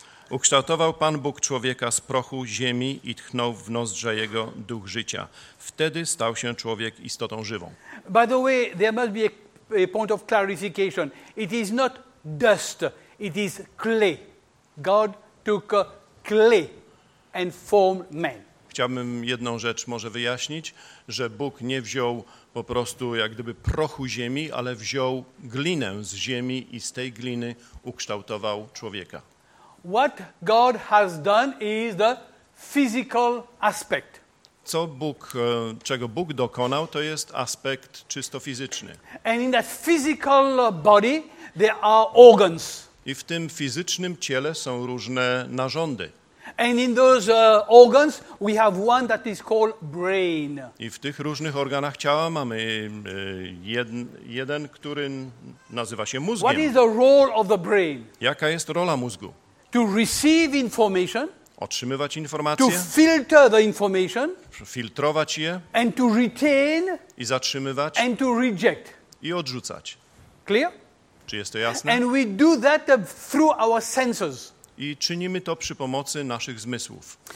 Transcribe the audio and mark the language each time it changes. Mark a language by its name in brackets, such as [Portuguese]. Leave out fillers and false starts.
[Polish] Ukształtował Pan Bóg człowieka z prochu ziemi i tchnął w nozdrza jego duch życia. Wtedy stał się człowiek istotą żywą. [English] By the way, there must be a point of clarification. It is not dust, it is clay. God took clay and formed man. [Polish] Chciałbym jedną rzecz może wyjaśnić, że Bóg nie wziął po prostu jak gdyby prochu ziemi, ale wziął glinę z ziemi i z tej gliny ukształtował człowieka. [English] What God has done is the physical aspect. [Polish] Co Bóg, czego Bóg dokonał, to jest aspekt czysto fizyczny. [English] And in that physical body there are organs. [Polish] I w tym fizycznym ciele są różne narządy. [English] And in those organs we have one that is called brain. [Polish] I w tych różnych organach ciała mamy jeden, który nazywa się mózgiem. [English] What is the role of the brain? [Polish] Jaka jest rola mózgu? [English] To receive information, [Polish] otrzymywać informacje, [English] to filter the information, [Polish] filtrować je, [English] and to retain, [Polish] i zatrzymywać, [English] and to reject, [Polish] i odrzucać. [English] Clear? [Polish] Czy jest to jasne? [English] And we do that through our senses. [Polish] I czynimy to przy pomocy naszych zmysłów.